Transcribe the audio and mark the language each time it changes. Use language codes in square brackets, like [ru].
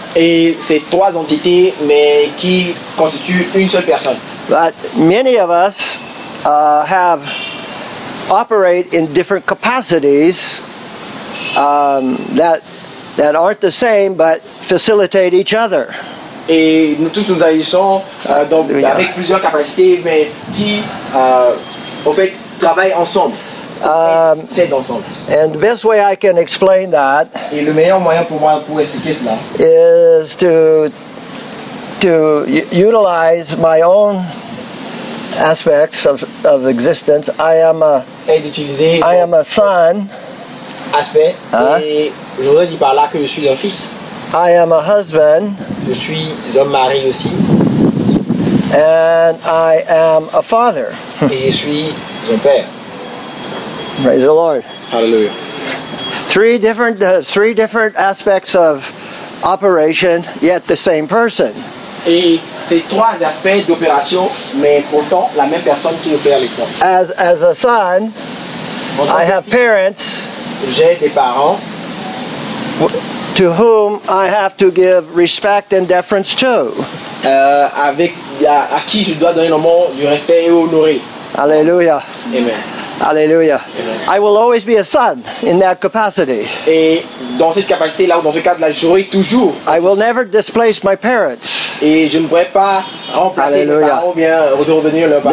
[fr] Et c'est trois entités, mais qui constituent une seule personne. [en] But many of us operate in different capacities that aren't the same, but facilitate each other. [fr] Et nous tous, nous agissons donc avec plusieurs capacités, mais qui, au fait, travaillent ensemble. [en] And the best way I can explain that is to utilize my own aspects of existence. I am a son. Aspect. [fr] Et je voudrais dire par là que je suis un fils. [en] I am a husband. [fr] Je suis un mari aussi. [en] And I am a father. [fr] Et je suis un père. [en] Praise the Lord. Hallelujah. Three different aspects of operation, yet the same person. [fr] Et c'est trois aspects d'opération, mais pourtant la même personne qui opère les trois. [en] As a son, I have parents. [fr] J'ai des parents. [en] To whom I have to give respect and deference to. [fr] À qui je dois donner le mot du respect et honorer. Alléluia. Amen. Alléluia. Amen. [en] I will always be a son in that capacity. [fr] Et dans cette capacité-là, dans ce cadre-là, je serai toujours. [en] I will never displace my parents. [fr] Et je ne pourrai pas remplacer mes parents ou bien redevenir leurs parents.